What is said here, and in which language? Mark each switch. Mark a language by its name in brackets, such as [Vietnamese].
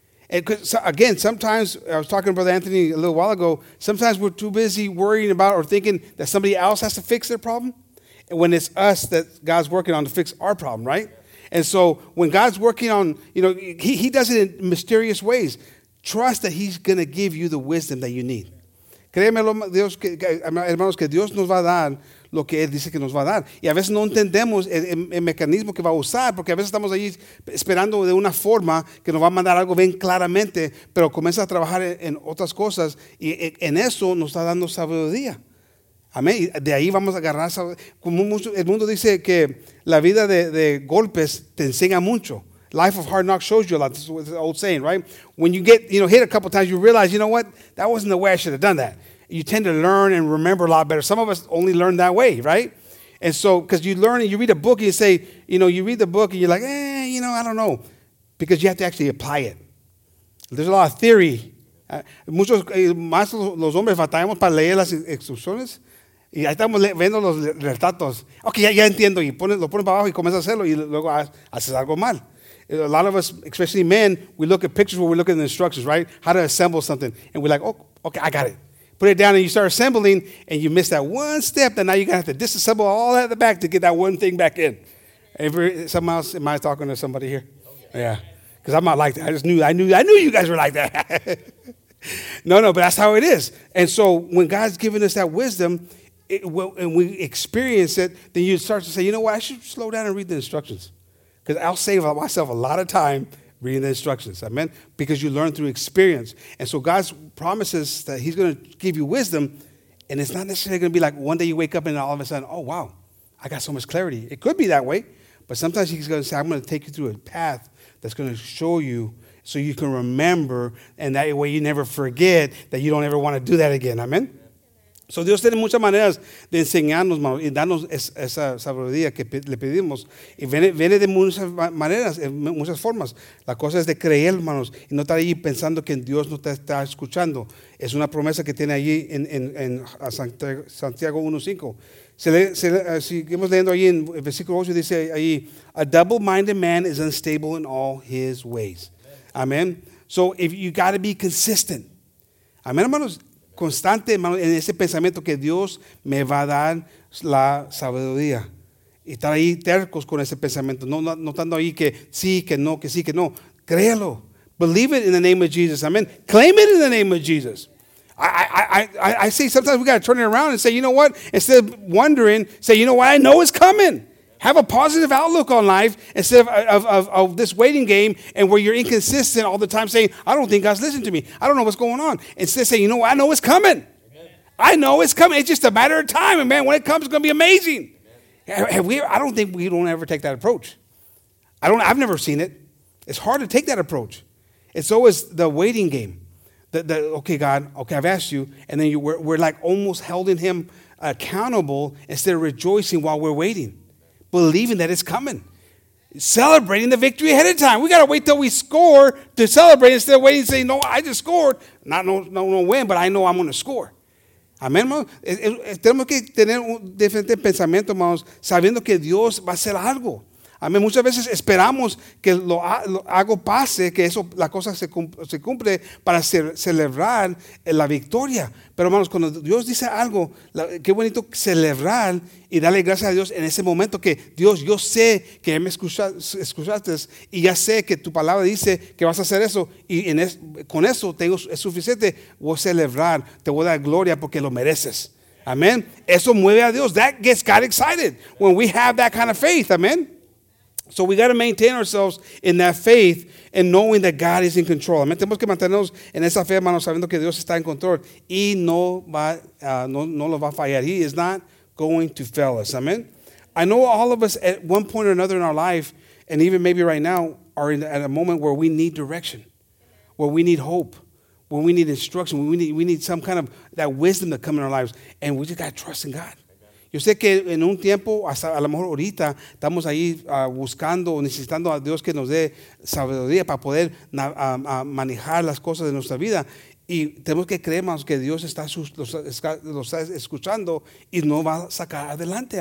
[English] And again, sometimes, I was talking to Brother Anthony a little while ago, sometimes we're too busy worrying about or thinking that somebody else has to fix their problem when it's us that God's working on to fix our problem, right? And so when God's working on, you know, he does it in mysterious ways. Trust that he's going to give you the wisdom that you need. [Spanish] Créeme, hermanos, que Dios nos va a dar lo que Él dice que nos va a dar. Y a veces no entendemos el mecanismo que va a usar, porque a veces estamos allí esperando de una forma que nos va a mandar algo bien claramente, pero comienza a trabajar en otras cosas y en eso nos está dando sabiduría. Amén. Y de ahí vamos a agarrar sabiduría. Como mucho, el mundo dice que la vida de golpes te enseña mucho. [English] Life of hard knocks shows you a lot. This is an old saying, right? When you get, you know, hit a couple times, you realize, you know what? That wasn't the way I should have done that. You tend to learn and remember a lot better. Some of us only learn that way, right? And so, because you learn and you read a book and you say, you know, you read the book and you're like, you know, I don't know. Because you have to actually apply it. There's a lot of theory. [Spanish] Muchos, más los hombres batallamos para leer las instrucciones. Y ahí estamos viendo los retratos. Okay, ya entiendo. Y lo pones para abajo y comienzas a hacerlo. Y luego haces algo mal. [English] A lot of us, especially men, we look at pictures where we look at the instructions, right? How to assemble something. And we're like, oh, okay, I got it. Put it down and you start assembling and you miss that one step, then now you're going to have to disassemble all at the back to get that one thing back in. Somebody else, am I talking to somebody here? Oh, yeah. Because I'm not like that. I knew you guys were like that. No, but that's how it is. And so when God's given us that wisdom and we experience it, then you start to say, you know what? I should slow down and read the instructions. Because I'll save myself a lot of time reading the instructions, amen? Because you learn through experience. And so God promises that he's going to give you wisdom, and it's not necessarily going to be like one day you wake up and all of a sudden, oh, wow, I got so much clarity. It could be that way, but sometimes he's going to say, I'm going to take you through a path that's going to show you so you can remember, and that way you never forget that you don't ever want to do that again, amen? [Spanish] So Dios tiene muchas maneras de enseñarnos, y darnos esa sabiduría que le pedimos. Y viene de muchas maneras, muchas formas. La cosa es de creer, hermanos, y no estar allí pensando que Dios no te está escuchando. Es una promesa que tiene allí en Santiago 1:5. Seguimos leyendo allí en el versículo 8, dice allí, [English] a double-minded man is unstable in all his ways. [Spanish] Amen. [English] So if you got to be consistent. [Spanish] Amen, hermanos. Constante, hermano, en ese pensamiento que Dios me va a dar la sabiduría. Y estar ahí tercos con ese pensamiento, no estando ahí que sí, que no, que sí, que no. Créalo. [English] Believe it in the name of Jesus. Amen. Claim it in the name of Jesus. I say sometimes we got to turn it around and say, you know what? Instead of wondering, say, you know what? I know it's coming. Have a positive outlook on life instead of this waiting game and where you're inconsistent all the time saying, I don't think God's listening to me. I don't know what's going on. Instead of saying, you know what? I know it's coming. Amen. I know it's coming. It's just a matter of time. And man, when it comes, it's going to be amazing. I don't think we don't ever take that approach. I've never seen it. It's hard to take that approach. It's always the waiting game. I've asked you. And then we're like almost holding him accountable instead of rejoicing while we're waiting. Believing that it's coming. Celebrating the victory ahead of time. We got to wait till we score to celebrate instead of waiting and saying, no, I just scored. No win, but I know I'm going to score. [Spanish] Amén, hermanos. Tenemos que tener un diferente pensamiento, hermanos, sabiendo que Dios va a hacer algo. Amén. Muchas veces esperamos que lo algo pase, que eso, la cosa se cumple para celebrar la victoria. Pero, hermanos, cuando Dios dice algo, qué bonito celebrar y darle gracias a Dios en ese momento que, Dios, yo sé que me escuchaste y ya sé que tu palabra dice que vas a hacer eso. Y con eso tengo, es suficiente, voy a celebrar, te voy a dar gloria porque lo mereces. Amén. Eso mueve a Dios. [English] That gets God excited when we have that kind of faith. Amén. So we got to maintain ourselves in that faith and knowing that God is in control. [Spanish] Amen. Tenemos que mantenernos en esa fe, hermanos, sabiendo que Dios está en control y no lo va a fallar. [English] He is not going to fail us. [Spanish] Amen. [English] I know all of us at one point or another in our life, and even maybe right now, are at a moment where we need direction, where we need hope, where we need instruction, where we need some kind of that wisdom to come in our lives, and we just got to trust in God. [Spanish] Yo sé que en un tiempo, hasta a lo mejor ahorita, estamos ahí buscando o necesitando a Dios que nos dé sabiduría para poder manejar las cosas de nuestra vida. Y tenemos que creer más que Dios está escuchando y nos va a sacar adelante.